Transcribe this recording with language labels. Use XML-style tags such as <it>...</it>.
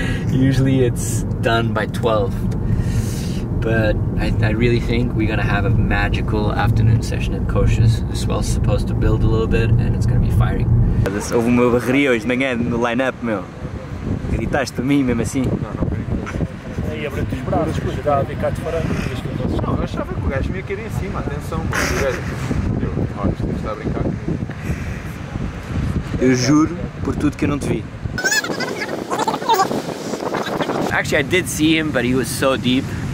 <en>Usually it's done by 12. But I really think we're gonna have a magical afternoon session at Coxas. The swell's supposed to build a little bit and it's gonna be firing.</en> <pt>Houve uma barreria hoje de manhã no line-up, meu. Gritaste por mim mesmo assim? Não, não, aí abre-te os braços, já vi cá de farando. Não, eu achava que o gajo me ia querer em cima, atenção. Eu, olha, isto deve estar a brincar comigo. Eu juro por tudo que eu não te vi.</pt> <en>Actually, I did see him, but he was so deep.</en>